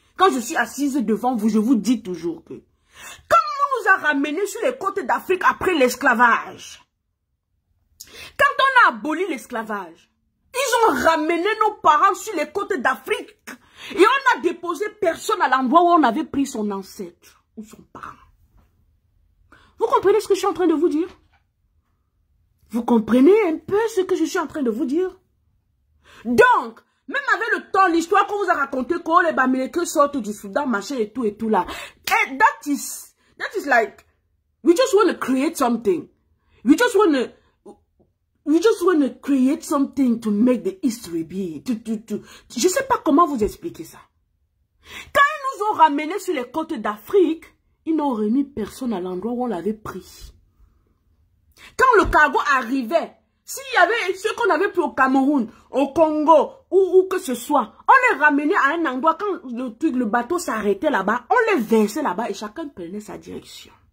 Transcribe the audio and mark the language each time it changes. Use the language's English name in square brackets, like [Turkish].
[French] Quand je suis assise devant vous, je vous dis toujours que quand on nous a ramenés sur les côtes d'Afrique après l'esclavage, quand on a aboli l'esclavage, ils ont ramené nos parents sur les côtes d'Afrique et on n'a déposé personne à l'endroit où on avait pris son ancêtre ou son parent. Vous comprenez ce que je suis en train de vous dire? Vous comprenez un peu ce que je suis en train de vous dire? Donc, même avec le temps, l'histoire qu'on vous a raconté, quand les Bamileke sortent du Soudan, machin et tout là. Et [English] that is like, we just want to create something. We just want to create something to make the history be. [French] Je sais pas comment vous expliquer ça. Quand ils nous ont ramenés sur les côtes d'Afrique, ils n'ont remis personne à l'endroit où on l'avait pris. Quand le cargo arrivait, s'il y avait ceux qu'on avait pris au Cameroun, au Congo, ou que ce soit, on les ramenait à un endroit, quand le bateau s'arrêtait là-bas, on les versait là-bas et chacun prenait sa direction.